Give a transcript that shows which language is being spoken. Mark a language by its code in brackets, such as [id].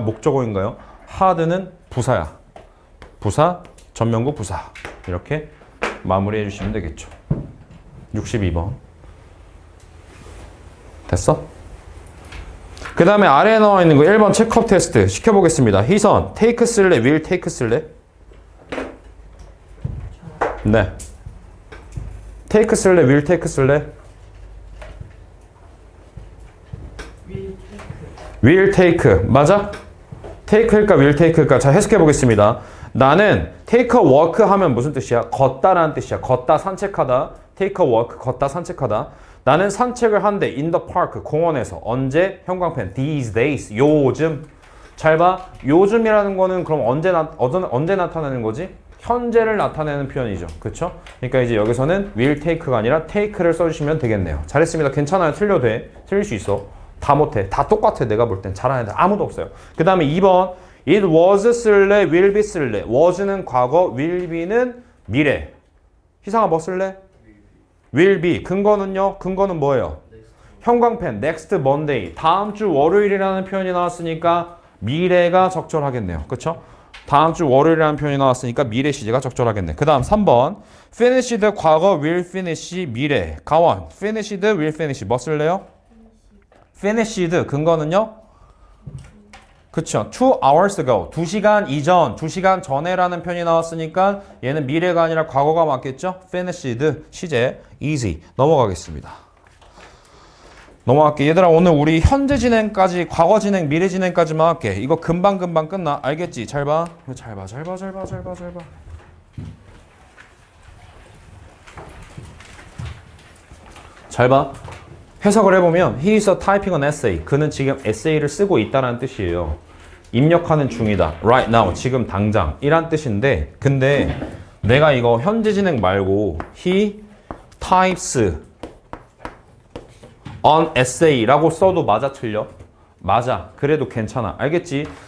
[ko] 목적어인가요? hard는 부사야. 부사, 전명구 부사. 이렇게 마무리해 주시면 되겠죠. 62번. 됐어? 그 다음에 아래에 나와 있는 거 1번 체크업 테스트 시켜보겠습니다. 희선, take 쓸래? [en] will take 쓸래? [ko] 네. take 쓸래? [en] will take 쓸래? will take. 맞아? take일까? will take일까? [ko] 자, 해석해보겠습니다. 나는 [en] take a walk [ko] 하면 무슨 뜻이야? 걷다라는 뜻이야. 걷다, 산책하다. [en] take a walk, [ko] 걷다, 산책하다. 나는 산책을 한대, [en] in the park, [ko] 공원에서. 언제? 형광펜, [en] these days, [ko] 요즘. 잘 봐, 요즘이라는 거는 그럼 언제 나타내는 거지? 현재를 나타내는 표현이죠, 그쵸? 그러니까 이제 여기서는 [en] will take [ko] 가 아니라 take를 써주시면 되겠네요. 잘했습니다, 괜찮아요, 틀려도 돼, 틀릴 수 있어. 다 못해, 다 똑같아, 내가 볼 땐. 잘하는 애 아무도 없어요. 그 다음에 2번, it was 쓸래, will be 쓸래. was는 과거, will be는 미래. 희상아 뭐 쓸래? [en] will be. [ko] 근거는요? 근거는 뭐예요? Next. 형광펜. next Monday. 다음 주 월요일이라는 표현이 나왔으니까 미래가 적절하겠네요. 그쵸? 다음 주 월요일이라는 표현이 나왔으니까 미래 시제가 적절하겠네. 그 다음 3번. [en] finished 과거 will finish 미래. 가원. finished will finish. [ko] 뭐 쓸래요? [en] finished. [ko] 근거는요? 그쵸. [en] 2 hours ago. [ko] 2시간 이전. 2시간 전에 라는 표현이 나왔으니까 얘는 미래가 아니라 과거가 맞겠죠? finished. 시제. easy. 넘어가겠습니다. 넘어갈게. 얘들아, 오늘 우리 현재 진행까지, 과거 진행, 미래 진행까지만 할게. 이거 금방금방 끝나. 알겠지? 잘 봐. 잘 봐. 잘 봐. 잘 봐. 잘 봐. 잘 봐. 잘 봐. 해석을 해보면 [en] he is typing an essay. [ko] 그는 지금 에세이를 쓰고 있다라는 뜻이에요. 입력하는 중이다. [en] right now. [ko] 지금 당장. 이란 뜻인데 근데 내가 이거 현재 진행 말고 [en] he types an essay [ko] 라고 써도 맞아 틀려? 맞아. 그래도 괜찮아. 알겠지?